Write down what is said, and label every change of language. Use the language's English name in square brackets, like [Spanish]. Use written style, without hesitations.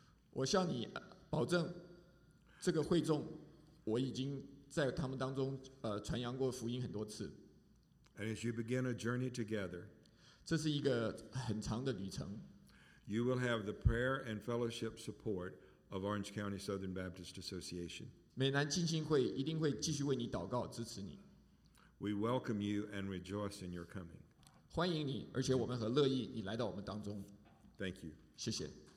[Chinese] 我向你保证，这个会众，我已经在他们当中传扬过福音很多次。 [English] And as you begin a journey together, [Chinese] 这是一个很长的旅程。 [English] You will have the prayer and fellowship support of Orange County Southern Baptist Association. [Chinese] 美南浸信会一定会继续为你祷告支持你。 [English] We welcome you and rejoice in your coming. [Chinese] 欢迎你，而且我们很乐意你来到我们当中。 [English] Thank you. [Chinese] 谢谢。